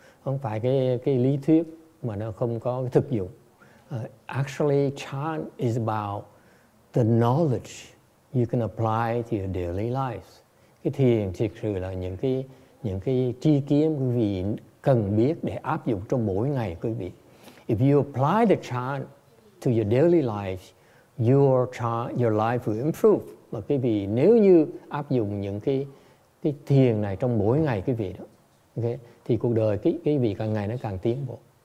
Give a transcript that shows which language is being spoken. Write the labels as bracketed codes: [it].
[vi] Không phải cái lý thuyết mà nó không có cái thực dụng. [en] Actually, Chan is about the knowledge you can apply to your daily lives. [vi] Cái thiền thực sự là những cái tri kiến quý vị cần biết để áp dụng trong mỗi ngày quý vị. [en] If you apply the chan to your daily life, your life will improve. [vi] Và quý vị nếu như áp dụng những cái thiền này trong mỗi ngày quý vị đó, okay, thì cuộc đời quý vị càng ngày nó càng tiến bộ.